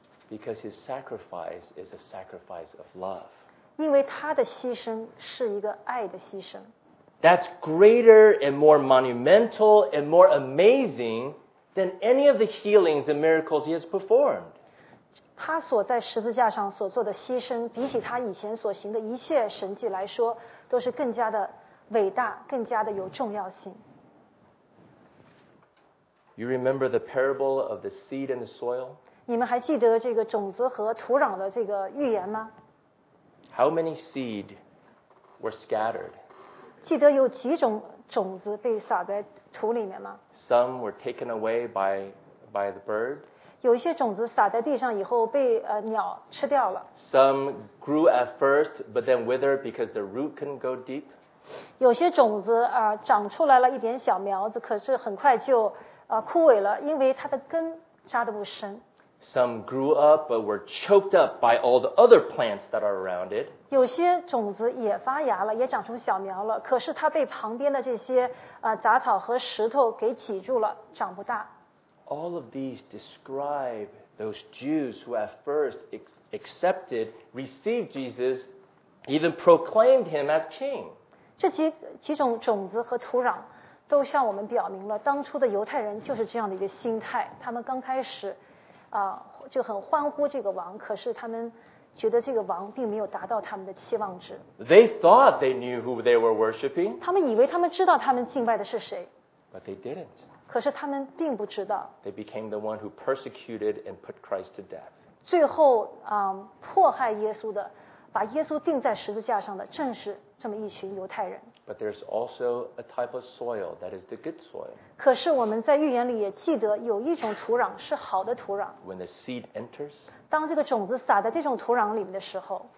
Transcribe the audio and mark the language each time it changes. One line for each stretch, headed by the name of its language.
English: Because His sacrifice is a sacrifice of love.
Chinese: 因为他的牺牲是一个爱的牺牲。
English: That's greater and more monumental and more amazing than any of the healings and miracles He has performed.
Chinese: 他所在十字架上所做的牺牲，比起他以前所行的一切神迹来说，都是更加的伟大，更加的有重要性。
English: You remember the parable of the seed and the soil?
Chinese: 你们还记得这个种子和土壤的这个预言吗？
English: How many seed were scattered?
Chinese: 记得有几种种子被撒在土里面吗？
English: Some were taken away by the bird.
Chinese: 有些种子撒在地上以后被, 鸟吃掉了。
English: Some grew at first, but then withered because the root couldn't go deep.
Chinese: 有些种子, 长出来了一点小苗子, 可是很快就, 枯萎了, 因为它的根扎得不深。
English: Some grew up but were choked up by all the other plants that are around it.
Chinese: 有些种子也发芽了, 也长成小苗了, 可是它被旁边的这些, 杂草和石头给挤住了, 长不大。
English: All of these describe those Jews who at first accepted, received Jesus, even proclaimed Him as King.
Chinese: 这几种种子和土壤, 都向我们表明了, 当初的犹太人就是这样的一个心态, 他们刚开始, 就很欢呼这个王, 可是他们觉得这个王并没有达到他们的期望值。
English: They thought they knew who they were worshipping.
Chinese: 他们以为他们知道他们敬拜的是谁。
English: But they didn't.
Chinese: 可是他们并不知道。
English: They became the one who persecuted and put Christ to death.
Chinese: 最后, 迫害耶稣的, 把耶稣钉在十字架上的, 正是这么一群犹太人。
English: But there's also a type of soil that is the good soil.
Chinese: 可是我们在预言里也记得有一种土壤是好的土壤。
English: When the seed enters,
Chinese: 当这个种子撒在这种土壤里面的时候,